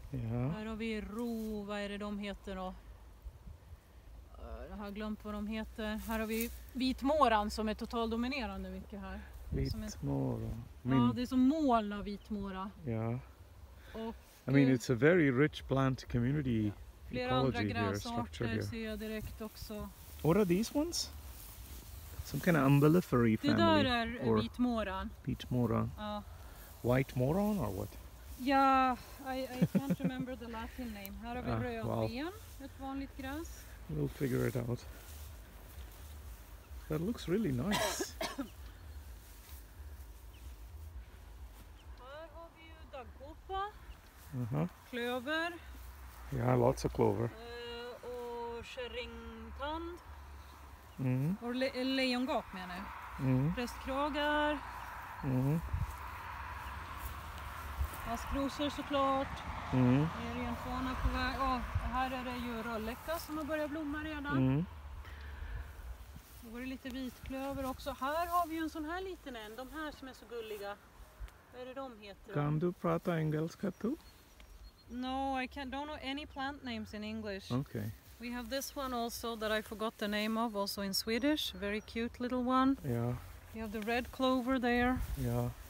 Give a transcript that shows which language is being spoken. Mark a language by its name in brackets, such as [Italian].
[Swedish] Här har vi ro, vad är det de heter då? Jag har glömt vad de heter. Här har vi vitmåran som är totaldominerande mycket här. Vitmåra. Det är som moln av vitmåra. Ja. [English] Yeah. I mean it's a very rich plant community. [Swedish] Flera andra gräsarter ser jag direkt också. [English] What are these ones? Some kind of umbellifery [Swedish] det [English] family. [Swedish] Det där är vitmåran. Vitmåran. Ja. [English] White moron or what? Yeah, I can't remember the Latin name. [Swedish] Här har vi rödben, ett vanligt gräs. [English] We'll figure it out. That looks really nice. [Swedish] Här har vi ju daggkåpa. Klöver. [English] Yeah, lots of clover. [Swedish] Och kärringtand. Mm. Och lejongap menar jag. Mm. Prästkragar. Mm. Askrosor såklart, renfana på väg, här är det ju rölleka som har börjat blomma redan. Då var det lite vitklöver också, här har vi ju en sån här liten en, de här som är så gulliga. Vad är det de heter? Kan du prata engelska too? [English] No, I can't, don't know any plant names in English. Okay. We have this one also that I forgot the name of, also in Swedish, very cute little one. Yeah. You have the red clover there. Yeah.